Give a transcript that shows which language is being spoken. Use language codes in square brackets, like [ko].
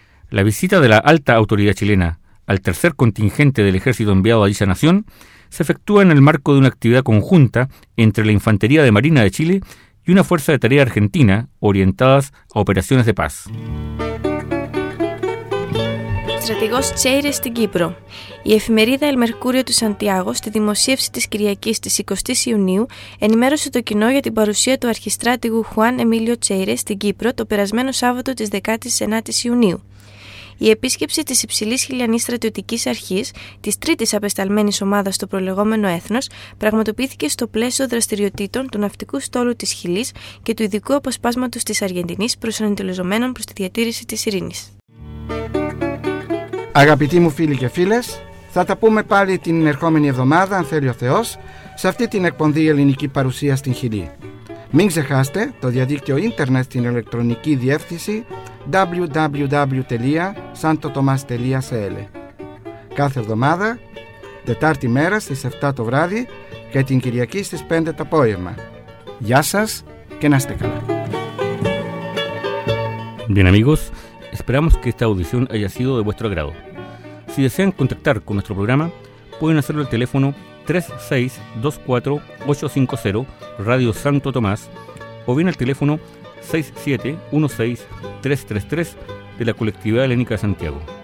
[es] La visita de la alta autoridad chilena al tercer contingente del ejército enviado a dicha nación, se efectúa en el marco de una actividad conjunta entre la Infantería de Marina de Chile y una Fuerza de Tarea Argentina orientadas a operaciones de paz. [el] Στρατηγός Τσέιρε στην Κύπρο. Η εφημερίδα El Mercurio του Σαντιάγο στη δημοσίευση της Κυριακής της 20ης Ιουνίου ενημέρωσε το κοινό για την παρουσία του αρχιστράτηγου Χουάν Εμίλιο Τσέιρε στην Κύπρο το περασμένο Σάββατο της 19ης Ιουνίου. Η επίσκεψη της Υψηλής Χιλιανής Στρατιωτικής Αρχής, της τρίτης απεσταλμένης ομάδας στο προλεγόμενο έθνος, πραγματοποιήθηκε στο πλαίσιο δραστηριοτήτων του Ναυτικού Στόλου της Χιλής και του Ειδικού Αποσπάσματος της Αργεντινής προσανατολισμένων προς τη διατήρηση της ειρήνης. Αγαπητοί μου φίλοι και φίλες, θα τα πούμε πάλι την ερχόμενη εβδομάδα, αν θέλει ο Θεός, σε αυτή την εκπομπή Ελληνική Παρουσία στην Χιλή. Μην ξεχάσετε το διαδίκτυο ίντερνετ στην ηλεκτρονική διεύθυνση www.santotomas.cl. Κάθε εβδομάδα, Τετάρτη μέρα στις 7 το βράδυ και την Κυριακή στις 5 το απόγευμα. Γεια σας και να είστε καλά. [es] Bien amigos, esperamos que esta audición haya sido de vuestro agrado. Si desean contactar con nuestro programa, pueden hacerlo al teléfono 3624-850 Radio Santo Tomás o bien al teléfono 6716-333 de la Colectividad Helénica de Santiago.